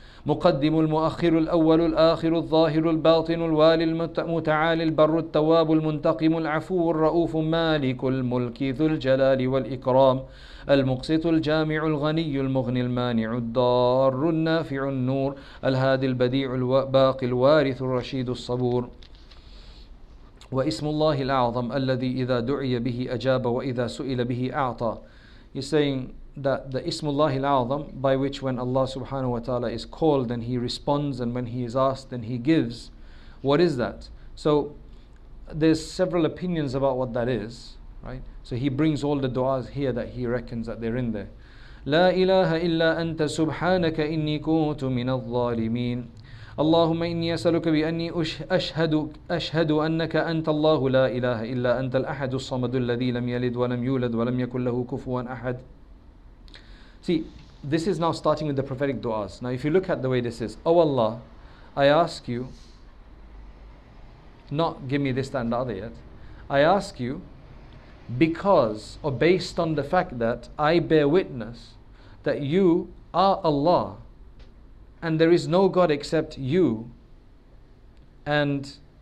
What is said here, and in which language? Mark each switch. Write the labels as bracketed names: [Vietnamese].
[Arabic] المقدم المؤخر الأول الآخر الظاهر الباطن الوالي المتعالي البر التواب المنتقم العفو الرؤوف مالك الملك ذو الجلال والإكرام المقسط الجامع الغني المغني المانع الضار النافع النور الهادي البديع الباقي الوارث الرشيد الصبور واسم الله الأعظم الذي إذا دعي به أجاب وإذا سئل به أعطى. [English] He's saying that the Ismullah al-Azam, by which when Allah subhanahu wa ta'ala is called then he responds and when he is asked then he gives, what is that? So there's several opinions about what that is, right? So he brings all the du'as here that he reckons that they're in there. [Arabic] لا إله إلا أنت سبحانك إني كنت من الظالمين اللهم إني أسألك بأني أشهد أنك أنت الله لا إله إلا أنت الأحد الصمد الذي لم يلد ولم يولد ولم يكن له كفوا أحد. [English] See, this is now starting with the prophetic du'as. Now if you look at the way this is, O Allah, I ask you, not give me this, that and the other yet, I ask you because or based on the fact that I bear witness that you are Allah and there is no God except you and